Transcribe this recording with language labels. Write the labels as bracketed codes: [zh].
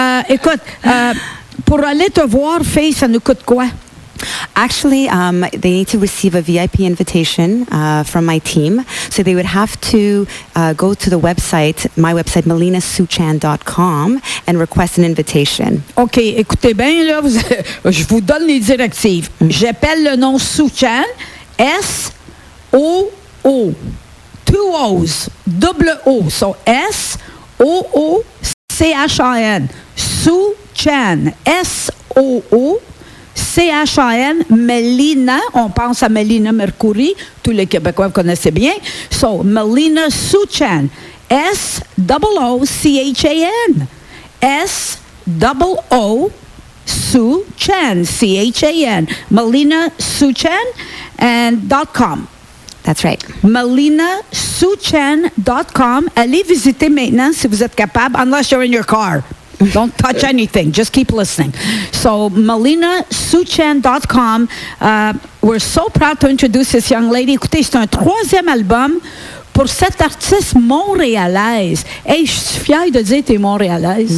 [fr] Écoute, pour aller te voir, fille, ça nous coûte quoi? [en] Actually, they need to receive a VIP invitation from my team. So they would have to go to the website, my website, melinasuchan.com, and request an invitation. [fr] Okay, écoutez bien, là, je vous donne les directives. Mm-hmm. J'appelle le nom Suchan, S-O-O, [en] two O's, [fr] double O. [en] So S-O-O-C-H-A-N, Suchan, S-O-O. [fr] C-H-A-N, Melina, on pense à Melina Mercury, tous les Québécois connaissent bien. [en] So, Melina Souchan, S-O-O-C-H-A-N, S-O-O-Souchan, C-H-A-N, Melina Souchan, and .com. That's right. MelinaSouchan.com. [fr] Allez visiter maintenant si vous êtes capable, [en] unless you're in your car. Don't touch anything. Just keep listening. So, MelinaSouchan.com. We're so proud to introduce this young lady. [fr] Écoutez, c'est un troisième album pour cette artiste montréalaise. Hey, je suis fière de dire que tu es montréalaise.